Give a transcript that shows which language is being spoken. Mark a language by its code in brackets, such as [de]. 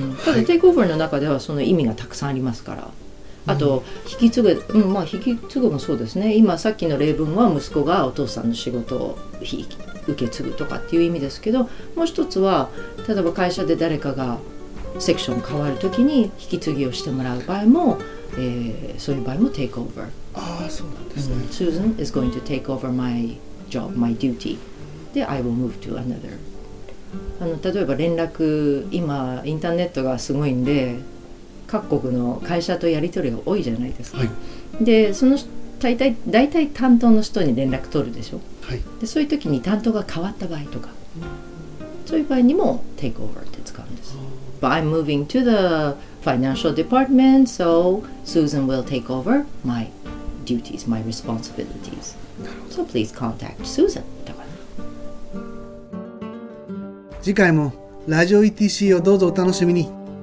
[ja] うん、ただテイクオーバーの中ではその意味がたくさんありますから、はい、あと引き継ぐ、うん、まあ引き継ぐもそうですね。今さっきの例文は息子がお父さんの仕事を受け継ぐとかっていう意味ですけど、もう一つは例えば会社で誰かがセクション変わるときに引き継ぎをしてもらう場合も、そういう場合もテイクオーバー。ああ、そうなんですね。 [en] Susan is going to take over my job, my duty. で、I will move to another. [ja] あの例えば連絡、今インターネットがすごいんで、各国の会社とやり取りが多いじゃないですか。はい、で、その大体担当の人に連絡取るでしょ、はい、で。そういう時に担当が変わった場合とか、そういう場合にも take over って使うんです。 [en] But I'm moving to the financial department, so Susan will take over my duties, my responsibilities. So please contact Susan. [ja] 次回もラジオ ETC をどうぞお楽しみに。